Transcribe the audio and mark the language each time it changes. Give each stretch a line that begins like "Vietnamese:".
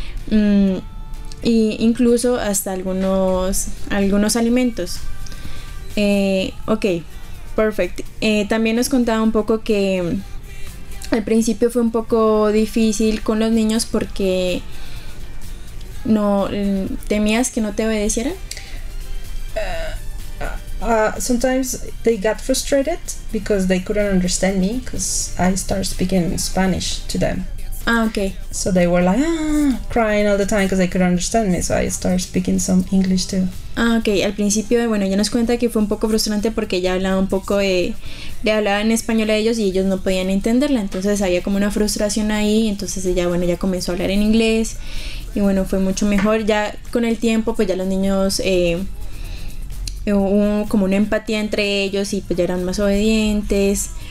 Spanish: Y incluso hasta algunos alimentos. Ok, perfecto. También nos contaba un poco que al principio fue un poco difícil con los niños porque no temías que no te obedecieran.
English: Sometimes they got frustrated because they couldn't understand me because I started speaking Spanish to them. Ah, okay. So they were like crying all the time because they couldn't understand me, so I started speaking some English too. Ah, okay.
Spanish: Al principio, bueno, ella nos cuenta que fue un poco frustrante porque ella hablaba un poco de hablar en español a ellos y ellos no podían entenderla. Entonces había como una frustración ahí. Entonces ella, bueno, ya comenzó a hablar en inglés y bueno, fue mucho mejor. Ya con el tiempo, pues ya los niños hubo como una empatía entre ellos y pues ya eran más obedientes.